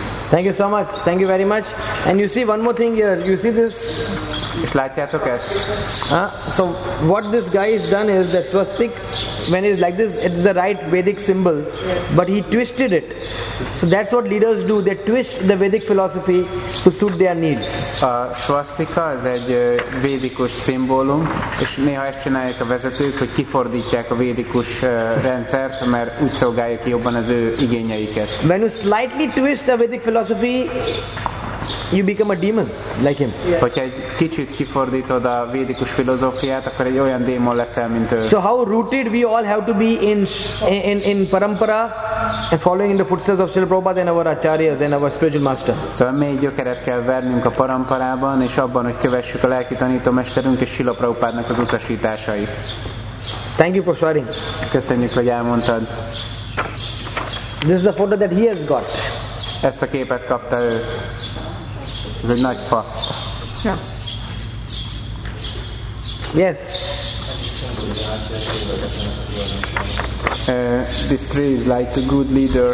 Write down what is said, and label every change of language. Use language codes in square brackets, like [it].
[en] Thank you so much. Thank you very much. And you see one more thing here. You see this? [hu] És látjátok ezt? [en] So what this guy has done is that swastik, when it's like this, it's the right Vedic symbol, but he twisted it. So that's what leaders do. They twist the Vedic philosophy to suit their needs. [hu] A swastika az egy védikus szimbólum, és néha ezt csinálják a vezetők, hogy kifordítják a védikus rendszert, mert úgy szolgálja ki jobban az ő igényeiket. [en] When you slightly twist a Vedic philosophy, you become a demon like him. Yes. [hu] Hogyha egy kicsit kifordítod a védikus filozófiát, akkor egy olyan démon leszel, mint ő. [en] So how rooted we all have to be in parampara and following in the footsteps of Srila Prabhupada and our acharyas and our spiritual master. [hu] So mély gyökeret kell vernünk a paramparában, és abban, hogy kövessük a lelki tanító mesterünk és Srila Prabhupádnak az utasításait. [en] Thank you for sharing. [hu] Köszönjük, hogy elmondtad. [en] This is the photo that he has got. [hu] Ezt a képet kapta ő. Ez egy nagy fa. Ja. [en] Yes. This tree is like a good leader.